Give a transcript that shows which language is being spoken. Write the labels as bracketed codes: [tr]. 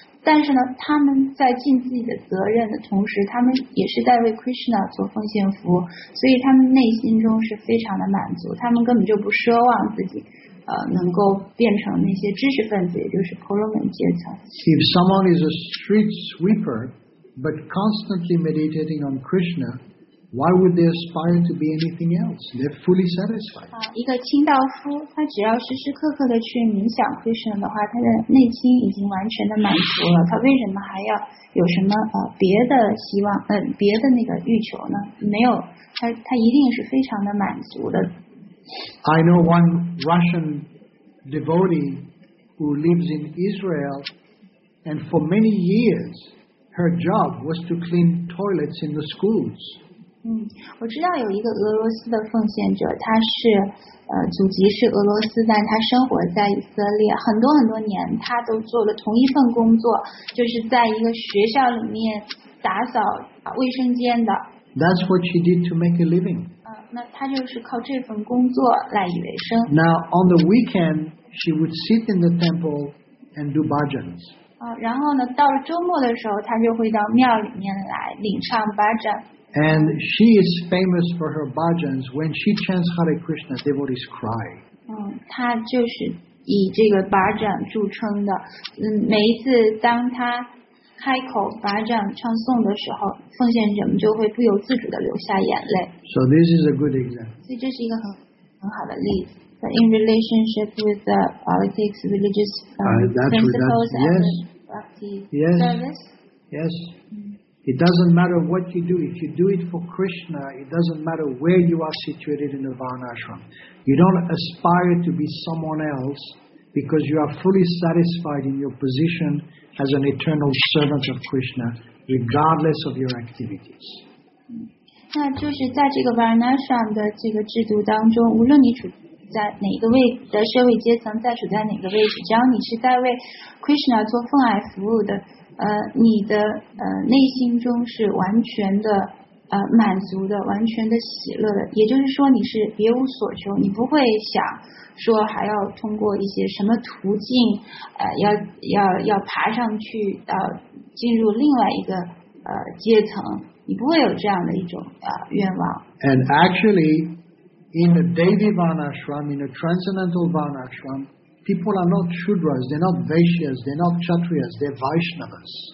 [zh] 但是呢，他们在尽自己的责任的同时，他们也是在为 Krishna 做奉献服务，所以他们内心中是非常的满足，他们根本就不奢望自己能够变成那些知识分子，也就是婆罗门阶层。 [en] If someone is a street sweeper but constantly meditating on Krishna, why would they aspire to be anything else? They're fully satisfied. [zh] 一个清道夫，他只要时时刻刻的去冥想 Krishna 的话，他的内心已经完全的满足了，他为什么还要有什么别的希望别的那个欲求呢？没有，他一定是非常的满足的。 [en] I know one Russian devotee who lives in Israel, and for many years her job was to clean toilets in the schools. [zh] 我知道有一个俄罗斯的奉献者，他是祖籍是俄罗斯，但他生活在以色列很多很多年，他都做了同一份工作，就是在一个学校里面打扫卫生间的。 [en] That's what she did to make a living. [zh] 那他就是靠这份工作来以为生。 [en] Now on the weekend, she would sit in the temple and do bhajans. [zh] 然后呢，到了周末的时候，他就会到庙里面来领唱 bhajan。 [en] And she is famous for her bhajans. When she chants Hare Krishna, devotees cry. [zh] 她就是以这个 bhajan 著称的。每一次当她开口 bhajan 唱诵的时候，奉献者们就会不由自主的流下眼泪。 [en] So this is a good example. [zh] 所以这是一个很好的例子。 [en] But in relationship with the politics, religious principles, and bhakti service. Yes. It doesn't matter what you do. If you do it for Krishna, it doesn't matter where you are situated in the Varnashram. You don't aspire to be someone else because you are fully satisfied in your position as an eternal servant of Krishna, regardless of your activities. [zh] 那就是在这个 Varnashram 的这个制度当中，无论你处在哪个位的社会阶层，在处在哪个位置，只要你是在为 Krishna 做奉爱服务的。你的内心中是完全的满足的，完全的喜乐的，也就是说你是别无所求，你不会想说还要通过一些什么途径要爬上去进入另外一个阶层，你不会有这样的一种愿望。 [en] And actually in the Devi Varnashram, in the Transcendental VarnashramPeople are not Shudras, they're not Vaishyas, they're not Kshatriyas, they're Vaishnavas.